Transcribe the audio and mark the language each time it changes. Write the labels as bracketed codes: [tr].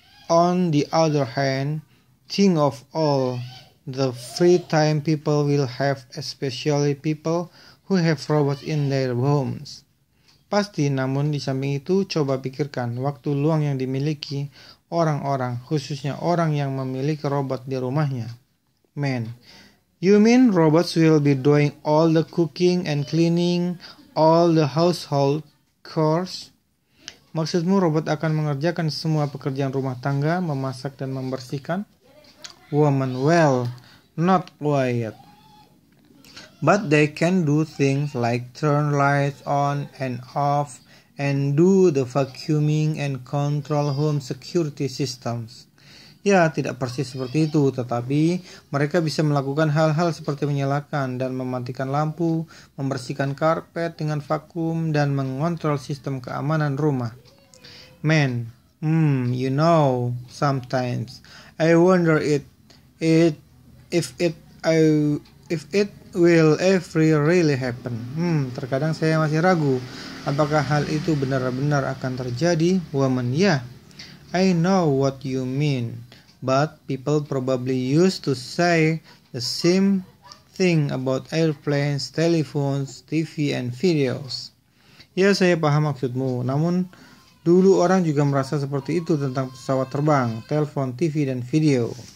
[en] On the other hand, think of all the free time people will have, especially people who have robots in their homes. [id] Pasti, namun di samping itu, coba pikirkan waktu luang yang dimiliki orang-orang, khususnya orang yang memiliki robot di rumahnya. [en] Man, you mean robots will be doing all the cooking and cleaning, all the household chores? [id] Maksudmu robot akan mengerjakan semua pekerjaan rumah tangga, memasak dan membersihkan? [en] Woman, well, not quite. But they can do things like turn lights on and off and do the vacuuming and control home security systems. [id] Ya, tidak persis seperti itu, tetapi mereka bisa melakukan hal-hal seperti menyalakan dan mematikan lampu, membersihkan karpet dengan vakum, dan mengontrol sistem keamanan rumah. [en] Man, you know, sometimes I wonder if it will ever really happen. [id] Terkadang saya masih ragu apakah hal itu benar-benar akan terjadi, woman. [en] Ya, yeah, I know what you mean, but people probably used to say the same thing about airplanes, telephones, TV, and videos. [id] Ya, saya paham maksudmu. Namun, dulu orang juga merasa seperti itu tentang pesawat terbang, telepon, TV, dan video.